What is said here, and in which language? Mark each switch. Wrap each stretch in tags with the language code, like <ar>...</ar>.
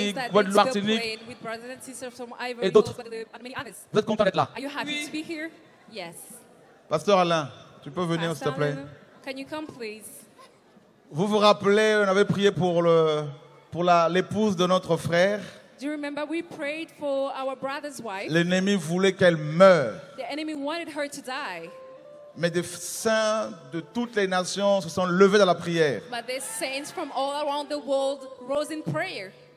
<fr>Guadeloupe, Martinique, et d'autres. Vous êtes content d'être là? Vous êtes content d'être là? Oui. Pasteur Alain, tu peux venir, s'il te plaît.</fr> <en>Can you come, please?</en> <fr>Vous vous rappelez, on avait prié pour le pour la l'épouse de notre frère.</fr> <en>Do you remember we prayed for our brother's wife?</en> <fr>L'ennemi voulait qu'elle meure.</fr> <en>The enemy wanted her to die.</en> <fr>Mais des saints de toutes les nations se sont levés dans la prière.</fr> <en>But the saints from all around the world rose in prayer.</en>